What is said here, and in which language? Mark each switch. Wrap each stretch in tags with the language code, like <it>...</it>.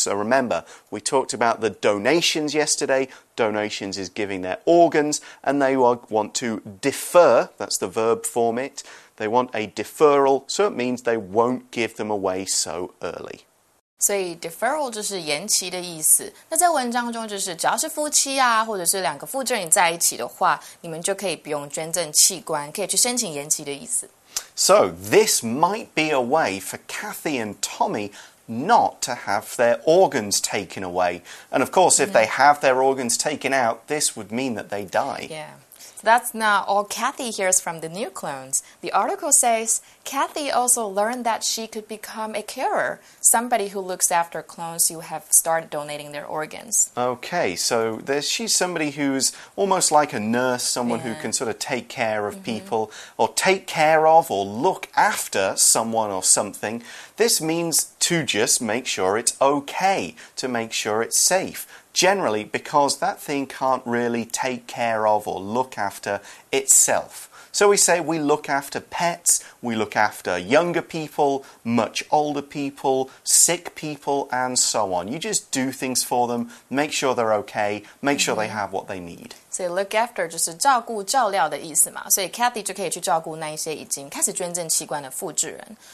<en>So remember, we talked about the donations yesterday. Donations is giving their organs, and they want to defer, that's the verb form it. They want a deferral, so it means they won't give them away so early.</en> <zh>所以 deferral 就是延期的意思。那在文章中就是只要是夫妻啊或者是两个负责人在一起的话你们就可以不用捐赠器官可以去申请延期的意思。</zh> <en>So this might be a way for Kathy and Tommy not to have their organs taken away. And of course, if they have their organs taken out, this would mean that they die. Yeah. That's not all Kathy hears from the new clones. The article says, Kathy also learned that she could become a carer, somebody who looks after clones who have started donating their organs. Okay, so she's somebody who's almost like a nurse, someone who can sort of take care of people, or take care of or look after someone or something. This means to just make sure it's okay, to make sure it's safe. Generally, because that thing can't really take care of or look after itself. So we say we look after pets, we look after younger people, much older people, sick people, and so on. You just do things for them, make sure they're okay, make sure they have what they need.</en> <zh>So look after 就是照顾照料的意思嘛。所以 Kathy 就可以去照顾那一些已经开始捐赠器官的负责人。</zh>